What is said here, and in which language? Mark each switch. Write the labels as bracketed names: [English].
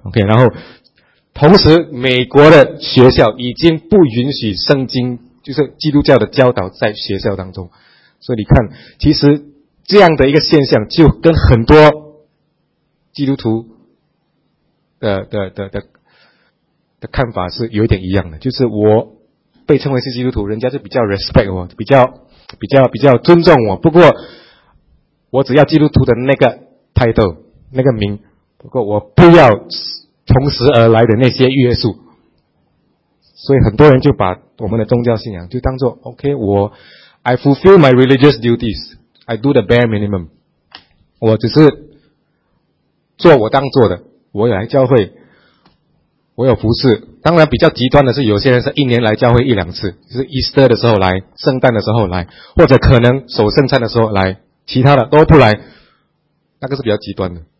[Chinese] OK， 然后同时美国的学校已经不允许圣经，就是基督教的教导在学校当中，所以你看，其实这样的一个现象就跟很多基督徒的看法是有一点一样的，就是我被称为是基督徒，人家就比较 respect 我，比较尊重我。不过我只要基督徒的那个 title 那个名，不过我不要同时而来的那些约束。所以很多人就把我们的宗教信仰就当作 [English] OK， I fulfill my religious duties, I do the bare minimum。 [Chinese] 我只是做我当做的，我有来教会，我有服侍。当然比较极端的是有些人是一年来教会一两次，就是 Easter 的时候来，圣诞的时候来，或者可能守圣餐的时候来，其他的都不来，那个是比较极端的。